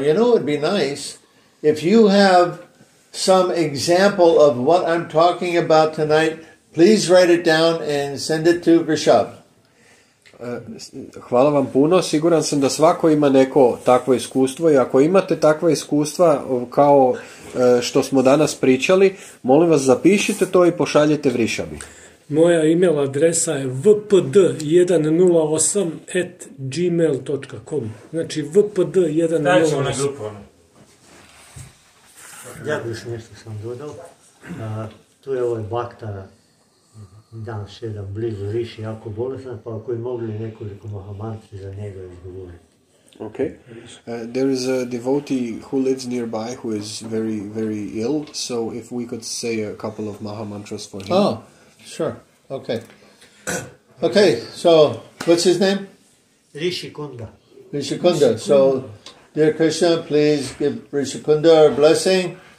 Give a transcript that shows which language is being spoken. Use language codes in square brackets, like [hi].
[en] You know, it would be nice if you have some example of what I'm talking about tonight. Please write it down and send it to Rishabh. [hr] Hvala vam puno. Siguran sam da svako ima neko takvo iskustvo. I ako imate takva iskustva kao što smo danas pričali, molim vas, zapišite to i pošaljite Rishabhi. Moja email adresa je vpd108@gmail.com. Znači vpd108. Dajemo na grupu. Ja bi još nešto sam dodao. Tu je ovaj baktar, dan sedam, blizu Riši, jako bolestan, pa ako je mogli nekoliko mahamantri za njega izgovoriti. [en] Okay. There is a devotee who lives nearby who is very, very ill, so if we could say a couple of mahamantras for him. Oh. Sure. Okay. Okay, so what's his name? Rishikunda. Rishikunda. So, dear Krishna, please give Rishikunda our blessing.